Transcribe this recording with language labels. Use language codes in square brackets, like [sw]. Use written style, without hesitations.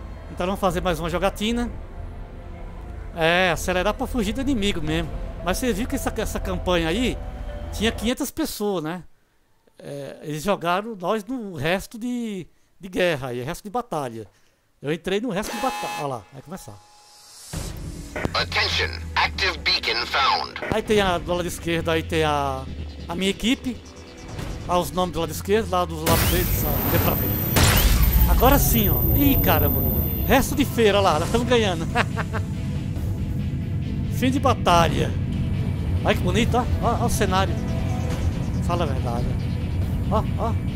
[pt] Então vamos fazer mais uma jogatina. Acelerar pra fugir do inimigo mesmo. Mas você viu que essa campanha aí tinha 500 pessoas, né? Eles jogaram nós no resto de guerra e resto de batalha. Eu entrei no resto de batalha. Olha lá, vai começar. [en] Attention, active beacon found. [pt] Aí tem do lado esquerdo, aí tem a minha equipe. Olha os nomes do lado esquerdo, lá dos lados deles. Agora sim, ó. Ih, caramba. Resto de feira, olha lá, nós estamos ganhando. Fim de batalha. Olha que bonito, ó. Olha o cenário. Fala a verdade. Ó.